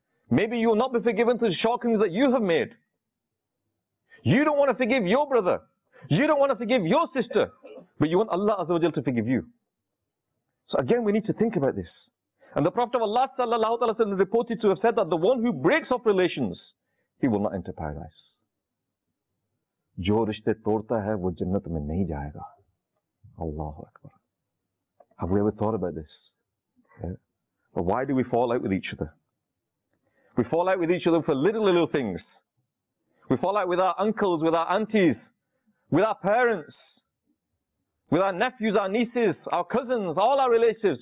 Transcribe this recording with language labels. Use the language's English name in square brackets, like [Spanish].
[English] Maybe you will not be forgiven for the shortcomings that you have made. You don't want to forgive your brother. You don't want to forgive your sister. But you want Allah Azza wa Jalla to forgive you. So again, we need to think about this. And the Prophet of Allah sallallahu alaihi wasallam is reported to have said that the one who breaks off relations, he will not enter paradise. [Urdu] جو رشتے توڑتا ہے, وہ جنت میں نہیں جائے گا. [Arabic] Allahu Akbar. [English] Have we ever thought about this? Yeah. But why do we fall out with each other? We fall out with each other for little things. We fall out with our uncles, with our aunties, with our parents, with our nephews, our nieces, our cousins, all our relatives.